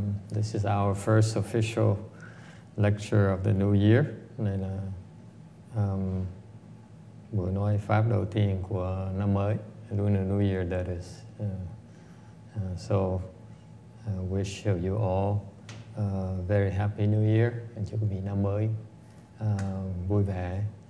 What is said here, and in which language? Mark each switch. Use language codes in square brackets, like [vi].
[en] This is our first official lecture of the new year. [vi] Nên là buổi nói pháp đầu tiên của năm mới. [en] During the new year, that is. So, wish you all a very happy new year. [vi] And chúc quý vị năm mới vui vẻ.